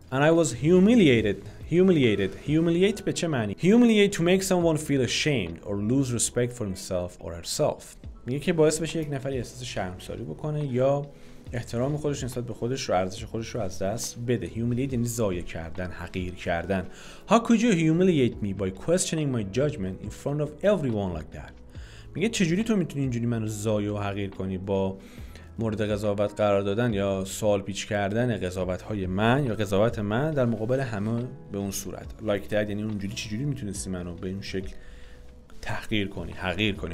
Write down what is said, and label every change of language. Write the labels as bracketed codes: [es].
[en] And I was humiliated. Humiliated. Humiliate [fa] به چه معنی؟ [en] Humiliate to make someone feel ashamed or lose respect for himself or herself. [fa] میگه که باعث بشه یک نفری احساس شرمساری بکنه یا احترام خودش نسبت به خودش رو، ارزش خودش رو از دست بده. Humiliate یعنی ضایع کردن، حقیر کردن. [en] How could you humiliate me by questioning my judgment in front of everyone like that? [fa] میگه چجوری تو میتونی اینجوری منو ضایع و حقیر کنی با مورد قضاوت قرار دادن یا سوال پیچ کردن قضاوت‌های من یا قضاوت من در مقابل همه به اون صورت. [en] Like that [fa] یعنی اونجوری چجوری میتونستی منو به این شکل تحقیر کنی، حقیر کنی.